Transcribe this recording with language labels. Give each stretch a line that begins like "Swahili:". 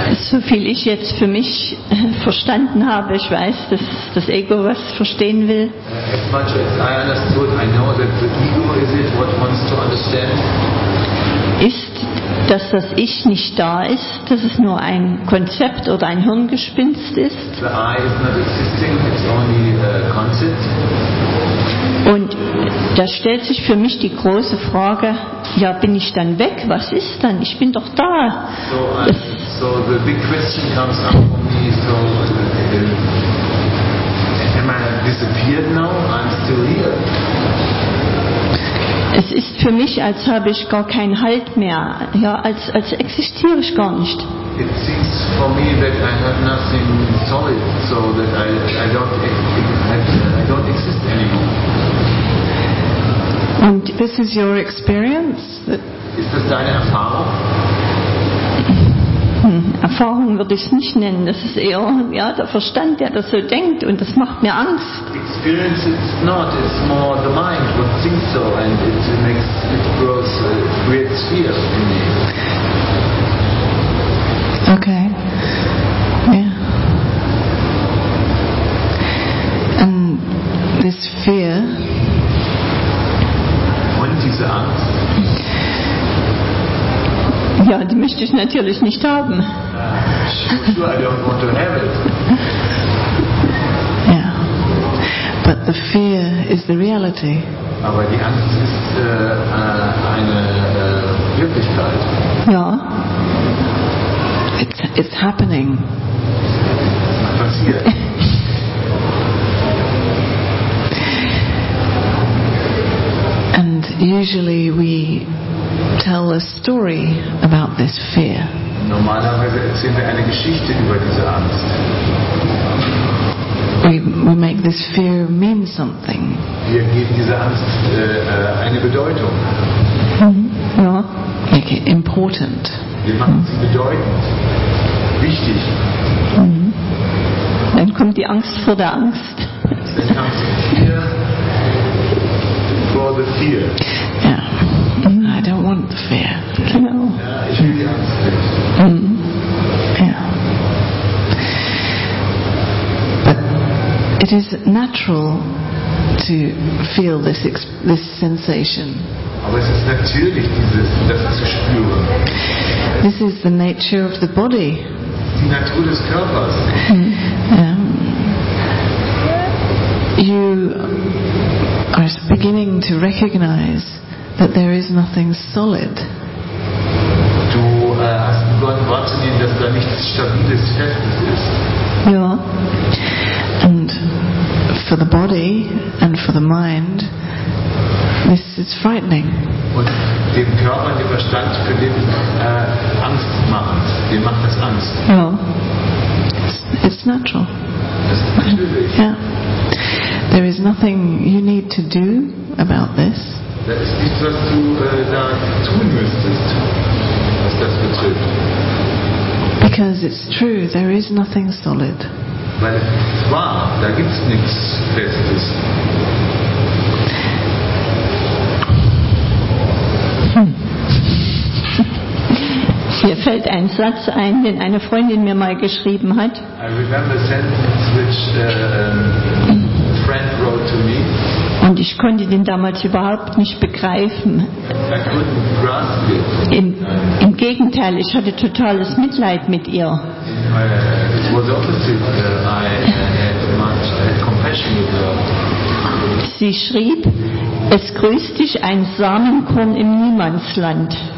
German: So viel ich jetzt für mich verstanden habe, ich weiß, dass das Ego was verstehen will.
English: As much as I understood, I know that the ego is it what wants to understand.
German: Ist, dass das Ich nicht da ist, dass es nur ein Konzept oder ein Hirngespinst ist.
English: The I is not existing, it's only a concept.
German: Und da stellt sich für mich die große Frage, ja, bin ich dann weg? Was ist dann? Ich bin doch da.
English: So the big question comes up for me, so am I disappeared now? I'm still here.
German: Es ist für mich, als habe ich gar keinen Halt mehr, ja, als existiere ich gar nicht.
English: It seems for me that I have nothing solid, so that I don't exist anymore. And this is your experience?
German: Ist das deine Erfahrung? Erfahrung würde ich es nicht nennen. Das ist eher ja, der Verstand, der das so denkt, und das macht mir Angst.
English: Experience is not, it's more the mind what thinks so, and it creates fear in me. Okay. Yeah. And this fear.
German: Und diese Angst. Ja, die möchte ich natürlich nicht haben.
English: Sure, I don't want to have it. Yeah. But the fear is the reality.
German: Aber die Angst ist eine Wirklichkeit. Ja.
English: It's happening.
German: Was passiert?
English: And usually we tell a story about this fear.
German: Normalerweise erzählen wir eine Geschichte über diese Angst.
English: We make this fear mean something.
German: Wir geben dieser Angst eine Bedeutung.
English: Ja. Make it important.
German: Wir machen sie bedeutend. Wichtig. Dann kommt die Angst vor der Angst. Dann kommt die Fear vor der Fear.
English: Ja. Yeah. I don't want the fear.
German: Genau.
English: Yeah. But it is natural to feel this sensation.
German: Aber es ist natürlich, das zu spüren.
English: This is the nature of the body.
German: Die Natur des Körpers.
English: You are beginning to recognize that there is nothing solid.
German: Du hast begonnen wahrzunehmen, dass da nichts Stabiles, Festes ist. Ja.
English: And for the body and for the mind, this is frightening.
German: Und dem Körper und dem Verstand, für den Angst macht, dem macht das Angst.
English: Ja. It's natural.
German: Das ist natürlich. Ja.
English: There is nothing you need to do about this.
German: Da ist nichts, was du da tun müsstest, was das betrifft.
English: Because it's true, there is nothing solid.
German: Weil es wahr, da gibt's nichts Festes. Mir fällt ein Satz ein, den eine Freundin mir mal geschrieben hat.
English: I remember a sentence which a friend wrote to me.
German: Und ich konnte den damals überhaupt nicht begreifen.
English: I couldn't grasp it.
German: Im Gegenteil, ich hatte totales Mitleid mit ihr.
English: It was opposite. I had much compassion with her.
German: Sie schrieb, es grüßt dich ein Samenkorn im Niemandsland.